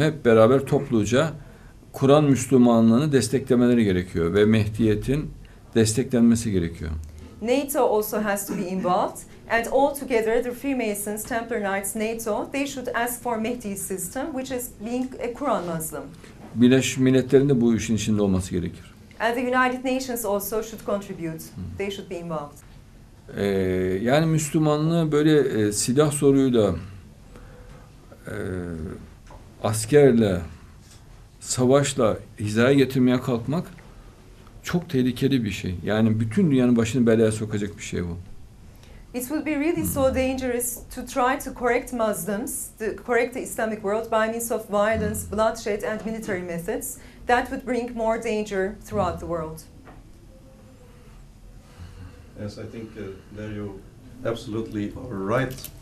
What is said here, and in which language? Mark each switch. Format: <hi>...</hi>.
<tr>Hep beraber topluca Kur'an Müslümanlığını desteklemeleri gerekiyor ve Mehdiyet'in desteklenmesi gerekiyor.</tr> <en>NATO also has to be involved and all together the Freemasons, Templar Knights, NATO, they should ask for Mehdi's system which is being a Quran Muslim.</en> <tr>Birleşmiş Milletler'in de bu işin içinde olması gerekir.</tr> <en>And the United Nations also should contribute. They should be involved.</en> <tr>Yani Müslümanlığı böyle silah soruyla askerle savaşla hizaya getirmeye kalkmak çok tehlikeli bir şey. Yani bütün dünyanın başını belaya sokacak bir şey bu.</tr> <en>It would be really so dangerous to try to correct Muslims, to correct the Islamic world by means of violence, bloodshed and military methods. That would bring more danger throughout the world. Yes, I think there you absolutely are right.</en>